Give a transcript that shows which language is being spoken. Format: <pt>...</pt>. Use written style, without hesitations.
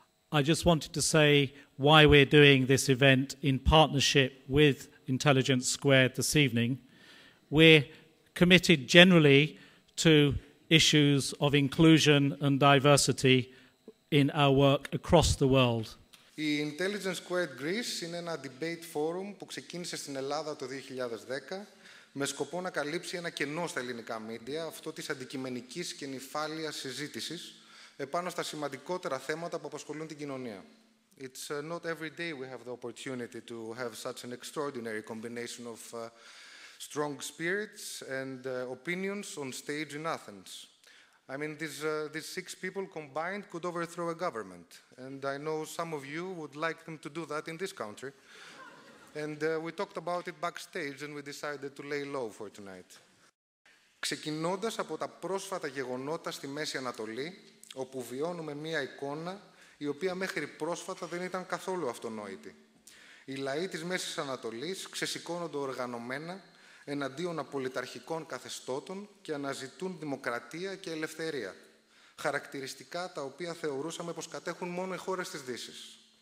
<en>I just wanted to say why we're doing this event in partnership with Intelligence Squared this evening. We're committed generally to issues of inclusion and diversity in our work across the world.</en> <el>Η Intelligence Squared Greece είναι ένα debate forum που ξεκίνησε στην Ελλάδα το 2010 με σκοπό να καλύψει ένα κενό στα ελληνικά media, αυτό της αντικειμενικής και νυφάλιας συζήτησης επάνω στα σημαντικότερα θέματα που απασχολούν την κοινωνία.</el> <en>It's not every day we have the opportunity to have such an extraordinary combination of strong spirits and opinions on stage in Athens. I mean, these six people combined could overthrow a government. And I know some of you would like them to do that in this country. And we talked about it backstage and we decided to lay low for tonight.</en> <el>Ξεκινώντας από τα πρόσφατα γεγονότα στη Μέση Ανατολή, όπου βιώνουμε μία εικόνα η οποία μέχρι πρόσφατα δεν ήταν καθόλου αυτονόητη. Οι λαοί της Μέσης Ανατολής ξεσηκώνονται οργανωμένα εναντίον απολυταρχικών καθεστώτων και αναζητούν δημοκρατία και ελευθερία, χαρακτηριστικά τα οποία θεωρούσαμε πως κατέχουν μόνο οι χώρες της Δύσης.</el>